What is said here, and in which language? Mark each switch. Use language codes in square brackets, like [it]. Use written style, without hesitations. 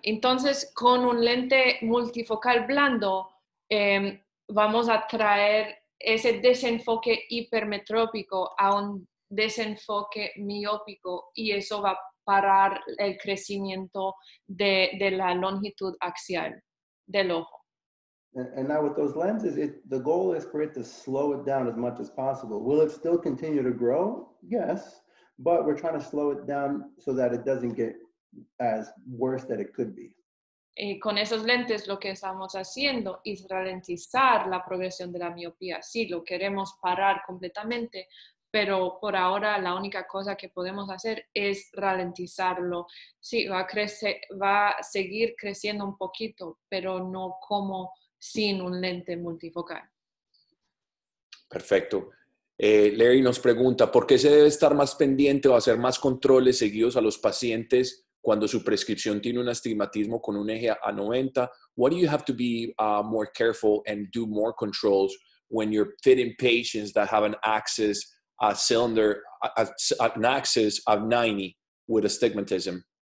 [es] Entonces, con un lente multifocal blando, vamos a traer ese desenfoque hipermetrópico a un desenfoque miópico y eso va a parar el crecimiento de la longitud axial del ojo. [en] And now with those lenses, the goal is for it to slow it down as much as possible. Will it still continue to grow? Yes, but we're trying to slow it down so that it doesn't get as worse that it could be. [es] Y con esos lentes lo que estamos haciendo es ralentizar la progresión de la miopía. Sí, lo queremos parar completamente, pero por ahora la única cosa que podemos hacer es ralentizarlo. Sí, va a seguir creciendo un poquito, pero no como sin un lente multifocal. Perfecto. Larry nos pregunta, ¿por qué se debe estar más pendiente o hacer más controles seguidos a los pacientes cuando su prescripción tiene un astigmatismo con un eje a 90? [en] Why do you have to be more careful and do more controls when you're fitting patients that have an axis of 90 with astigmatism?